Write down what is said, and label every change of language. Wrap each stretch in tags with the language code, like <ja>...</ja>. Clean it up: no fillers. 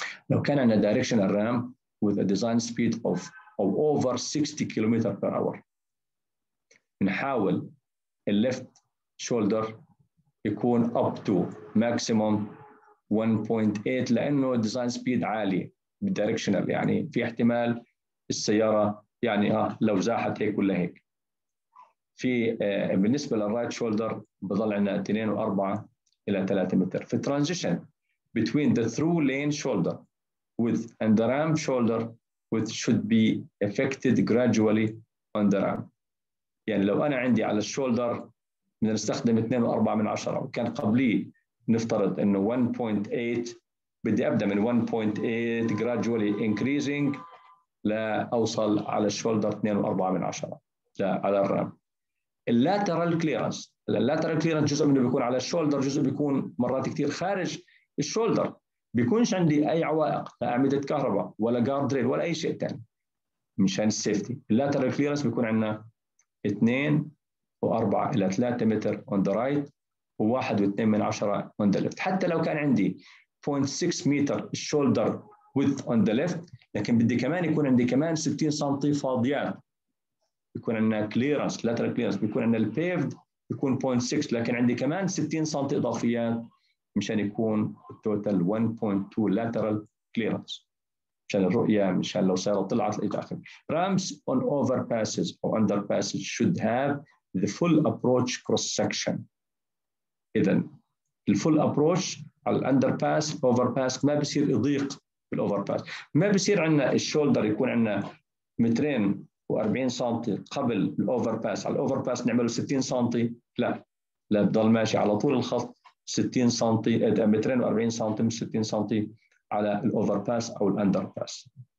<ar>لو كان عندنا دايركشن الرام</ar> <en>with a design speed of over 60</en> <ar>كيلومتر بير اور، نحاول الليفت شولدر يكون</ar> <en>up to maximum 1.8</en> <ar>لأنه design speed عالي بالdirectional، يعني في احتمال السيارة يعني لو زاحت هيك ولا هيك. في بالنسبة للright shoulder بضل عنا 2.4 إلى 3 متر.</ar> <en>في transition between the through lane shoulder with and the ramp shoulder which should be affected gradually on the ramp.</en> <ar>يعني لو أنا عندي على الشولدر من نستخدم 2.4 وكان قبلي نفترض أنه 1.8، بدي أبدأ من 1.8</ar> <en>gradually increasing</en> <ar>لأوصل على الشولدر 2.4 لا على الرام. اللاترال كليرانس، اللاترال كليرانس جزء منه بيكون على الشولدر، جزء بيكون مرات كتير خارج الشولدر، بيكونش عندي أي عوائق، لا أعمدة كهرباء ولا جارد ريل ولا أي شيء تاني مشان السيفتي. اللاترال كليرانس بيكون عندنا 2.4 إلى 3 متر</ar> <en>on the right</en> <ar>و 1.2 on the left. حتى لو كان عندي 0.6 متر</ar> <en>shoulder width on the left،</en> <ar>لكن بدي كمان يكون عندي كمان 60 سنتي فاضيات، يكون عندنا clearance lateral clearance، بيكون عندنا paved يكون 0.6 لكن عندي كمان 60 سنتي إضافيات مشان يكون</ar> <en>total 1.2 lateral clearance،</en> <ar>مشان الرؤية، مشان لو سيارة طلعت لقيت آخر.</ar> <en>Ramps on overpasses or underpasses should have the full approach cross section.</en> <ar>إذن</ar> <en>the full approach</en> <ar>على ال underpass overpass ما بصير يضيق بالoverpass، ما بصير عندنا الشولدر يكون عندنا 2.40 قبل الoverpass، على الoverpass نعمله 60 سنتي، لا لا بضل ماشي على طول الخط 60 سنتي، 2.40 مش 60 سنتي على الأوفرباس أو الأندرباس.</ar>